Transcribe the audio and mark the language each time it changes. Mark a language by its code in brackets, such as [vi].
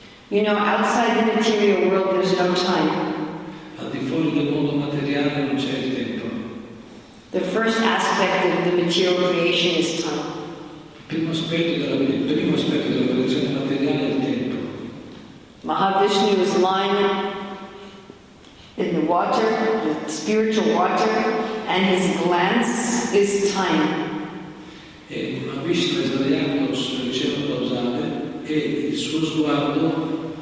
[en] You know, outside the material world, there's no time. [it] Al di fuori del mondo materiale non c'è il tempo. [en] The first aspect of the material creation is time. [it] Il primo aspetto della creazione materiale è il tempo. [en] Mahavishnu is lying in the water, the spiritual water, and his glance is time. [it] E Mahavishnu è sdraiato sul cielo posato e il suo sguardo.